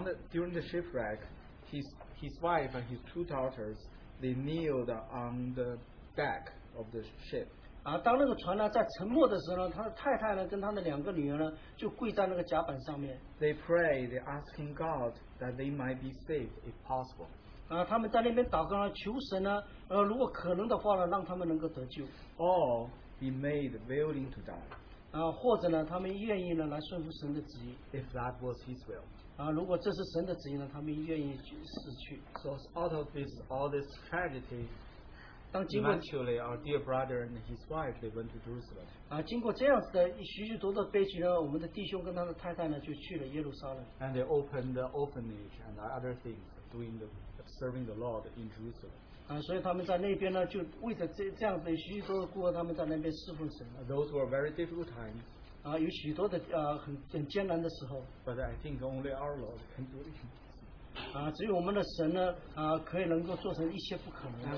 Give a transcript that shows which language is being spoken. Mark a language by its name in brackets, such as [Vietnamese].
[English] During the shipwreck, his wife and his two daughters, they kneeled on the deck of the ship. [Chinese] 当那个船呢在沉没的时候呢，他的太太呢跟他的两个女儿呢就跪在那个甲板上面。 [English] They pray, they asking God that they might be saved if possible. [Chinese] 他们在那边祷告呢，求神呢。如果可能的话呢，让他们能够得救。 [English] Or be made willing to die. [Chinese] 或者呢，他们愿意呢来顺服神的旨意。 [English] If that was His will. [Chinese] 如果这是神的旨意呢，他们愿意去死去。 [English] So out of this all this tragedy, Eventually, our dear brother and his wife, they went to Jerusalem. [Chinese] 经过这样子的许许多多悲剧呢，我们的弟兄跟他的太太呢就去了耶路撒冷。 [English] And they opened the orphanage and other things, doing the serving the Lord in Jerusalem. [Chinese] 所以他们在那边呢，就为着这样子许许多多孤儿，他们在那边侍奉神。 [English] Those were very difficult times. [Chinese] 有许多的很艰难的时候。 [English] But I think only our Lord can do it. [Chinese] 只有我们的神呢，可以能够做成一些不可能的。